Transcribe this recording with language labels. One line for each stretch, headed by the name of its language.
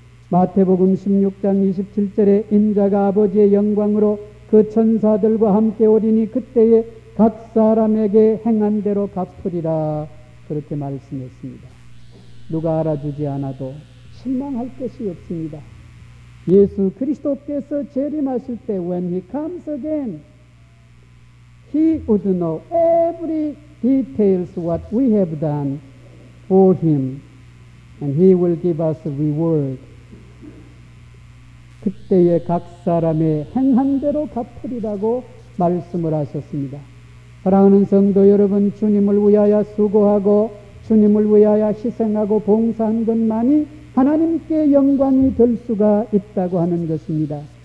Korean: 마태복음 16장 27절에 인자가 아버지의 영광으로 그 천사들과 함께 오리니 그때에 각 사람에게 행한 대로 갚으리라, 그렇게 말씀했습니다. 누가 알아주지 않아도 실망할 것이 없습니다. 예수 그리스도께서 재림하실 때
English: When he comes again, he would know every details what we have done for him and he will give us a reward.
Korean: 그때에 각 사람의 행한 대로 갚으리라고 말씀을 하셨습니다. 사랑하는 성도 여러분, 주님을 위하여 수고하고 주님을 위하여 희생하고 봉사한 것만이 하나님께 영광이 될 수가 있다고 하는 것입니다.